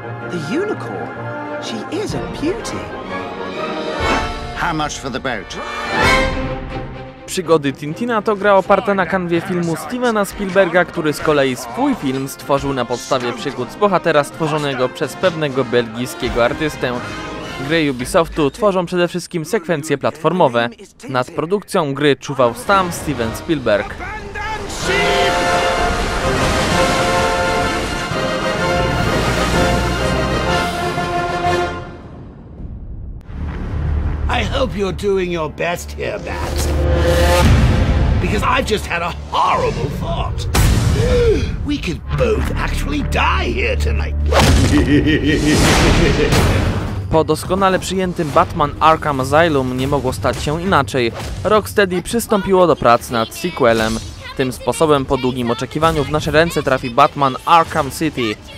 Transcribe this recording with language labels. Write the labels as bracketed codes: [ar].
[en] The unicorn, she is a beauty. How much for the boat? [pl] Przygody Tintina to gra oparta na kanwie filmu Stevena Spielberga, który z kolei swój film stworzył na podstawie przygód z bohatera stworzonego przez pewnego belgijskiego artystę. Gry Ubisoftu tworzą przede wszystkim sekwencje platformowe. Nad produkcją gry czuwał sam Steven Spielberg. [en] I hope you're doing your best here, Matt. Because I've just had a horrible thought. We could both actually die here tonight. [pl] Po doskonale przyjętym Batman Arkham Asylum nie mogło stać się inaczej. Rocksteady przystąpiło do prac nad sequelem. Tym sposobem po długim oczekiwaniu w nasze ręce trafi Batman Arkham City.